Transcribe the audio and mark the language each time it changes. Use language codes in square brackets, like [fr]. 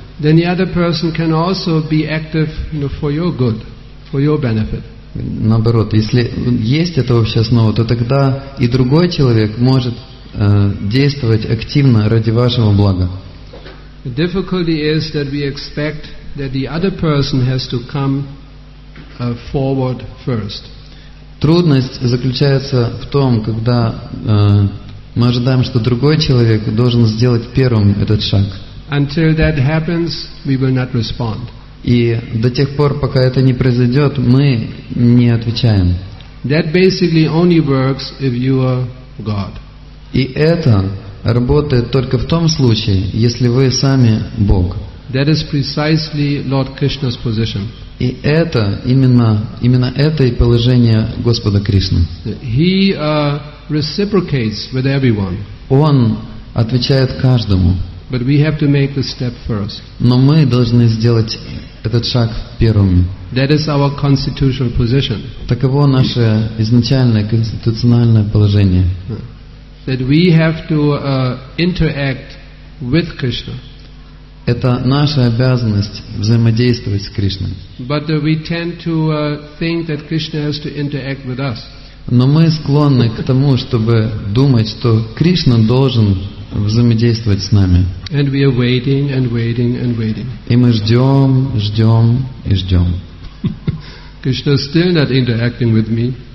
[en] Then the other person can also be active, you know, for your good, for your benefit. [ru] Наоборот, если есть эта общая основа, то тогда и другой человек может действовать активно ради вашего блага. [en] The difficulty is that we expect that the other person has to come forward first. [ru] Трудность заключается в том, когда мы ожидаем, что другой человек должен сделать первым этот шаг. [en] Until that happens, we will not respond. [ru] И до тех пор, пока это не произойдет, мы не отвечаем. [en] That basically only works if you are God. [ru] И это работает только в том случае, если вы сами Бог. [en] That is precisely Lord Krishna's position. [ru] И это именно это и положение Господа Кришны. [en] He reciprocates with everyone. [ru] Он отвечает каждому. [en] But we have to make the step first. [ru] Но мы должны сделать этот шаг первыми. [en] That is our constitutional position. [ru] Таково наше изначальное конституциональное положение. [en] That we have to interact with Krishna. [ru] Это наша обязанность взаимодействовать с Кришной. [en] But we tend to think that Krishna has to interact with us. [ru] Но мы склонны к тому, чтобы думать, что Кришна должен взаимодействовать с нами. [en] And we are waiting and waiting and waiting. [ru] И мы ждем, ждем и ждем. [en] Krishna is still not interacting with me.